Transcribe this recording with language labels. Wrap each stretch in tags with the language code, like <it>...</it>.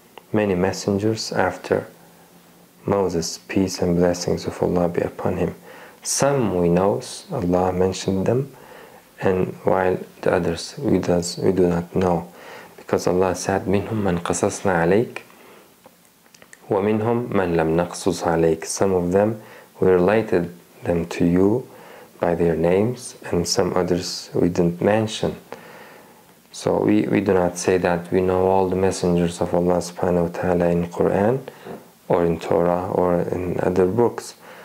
<en>Many messengers after Moses, peace and blessings of Allah be upon him. Some we know, Allah mentioned them, and while the others we do not know.</en> <ar>Because Allah said, مِنْهُمْ مَنْ قَصَصْنَا عَلَيْكَ وَمِنْهُمْ مَنْ لَمْ نَقْصُصْ عَلَيْكَ.</ar> <en>Some of them, we related them to you by their names, and some others we didn't mention. So we do not say that we know all the messengers of Allah subhanahu wa ta'ala in Quran or in Torah or in other books.</en>